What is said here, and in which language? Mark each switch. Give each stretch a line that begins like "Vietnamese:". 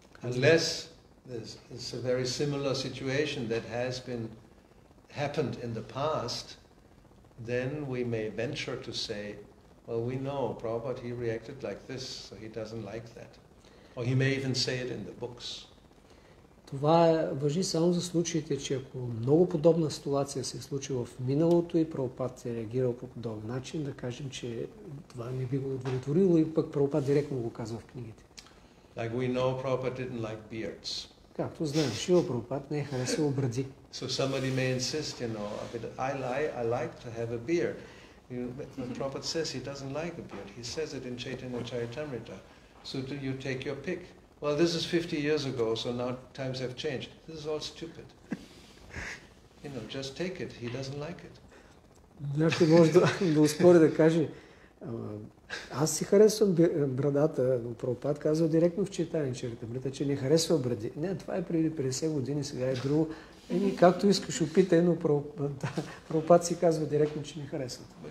English: Unless there's a very similar situation that has been happened in the past, then we may venture to say, well, we know Prabhupada, he reacted like this, so he doesn't like that. Or he may even say it in the books.
Bulgarian: Това важи само за случаите, че ако много подобна ситуация се е случила в миналото и Прабхупад е реагирал по подобен начин, да кажем, че това не би го удовлетворило и пък Прабхупад директно го казва в книгите.
English: Like we know, Prabhupad didn't like beards.
Bulgarian: Както знаем, Шрила Прабхупад не е харесал бради.
English: So somebody may insist, you know, a bit, I like to have a beard. You know, but Prabhupad says he doesn't like a beard. He says it in Chaitanya Charitamrita. So do you take your pick? Well, this is 50 years ago, so now times have changed. This is all stupid. You know, just take it. He doesn't like it.
Bulgarian: Някой може да успори да каже, аз си харесвам брадата, но Прабхупад казва директно в Чайтания Чаритамрита, че не харесва бради. Не, това е преди 50 години, сега е друго. Еми, както искаш, опитай, но Прабхупад си казва директно, че не харесва.